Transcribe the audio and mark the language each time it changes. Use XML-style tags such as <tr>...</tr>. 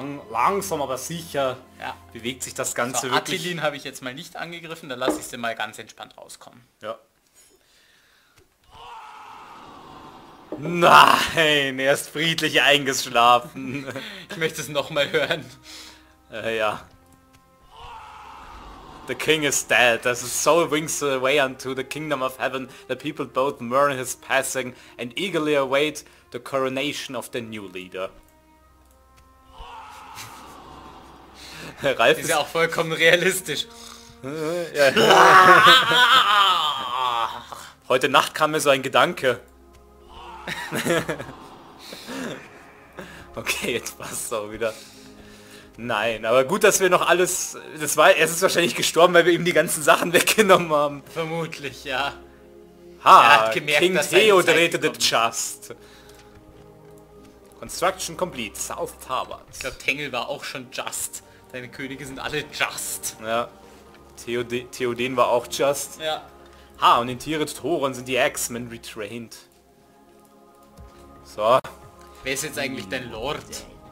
<de>Langsam, aber sicher bewegt sich das Ganze so, wirklich. Attilin habe ich jetzt mal nicht angegriffen, da lasse ich sie mal ganz entspannt rauskommen. Ja. Nein, er ist friedlich eingeschlafen. Ich möchte es nochmal hören. Ja.</de> <en>The king is dead. As his soul wings away unto the kingdom of heaven, the people both mourn his passing and eagerly await the coronation of the new leader.</en> <de>Ralf ist ja auch vollkommen realistisch. Ja. Heute Nacht kam mir so ein Gedanke. Okay, jetzt passt es auch wieder. Nein, aber gut, dass wir noch alles... Er ist wahrscheinlich gestorben, weil wir ihm die ganzen Sachen weggenommen haben. Vermutlich, ja. Ha, er hat gemerkt, King Theo drehte the just.</de> <en>Construction complete, South Tower.</en> <de>Ich glaube, Tengel war auch schon just. Deine Könige sind alle just. Ja, Theoden war auch just. Ja. Ha, und in Tirith Toron sind die X-Men retrained. So. Wer ist jetzt eigentlich dein Lord?</de>